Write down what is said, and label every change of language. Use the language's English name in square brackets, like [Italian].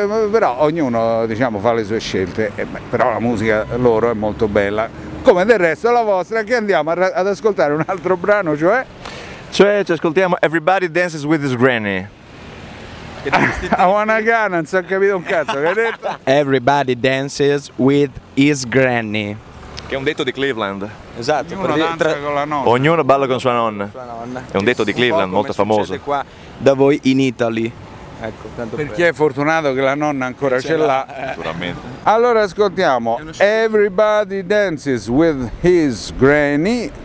[Italian] Però ognuno, diciamo, fa le sue scelte. Però la musica loro è molto bella. Come del resto la vostra, che andiamo ad ascoltare un altro brano, cioè? Cioè ci ascoltiamo Everybody Dances with His Granny. Ok. [English] I wanna go, [Italian] non so capito un cazzo, che hai detto? [English] Everybody dances with his granny. [Italian] Che è un detto di Cleveland. Esatto. Ognuno danza con la nonna. Ognuno balla con sua nonna. Sua nonna. È un detto di Cleveland, molto famoso. Qua da voi in Italy. Ecco, tanto per chi è fortunato che la nonna ancora ce l'ha. Naturalmente. Allora ascoltiamo. [English] Everybody dances with his granny.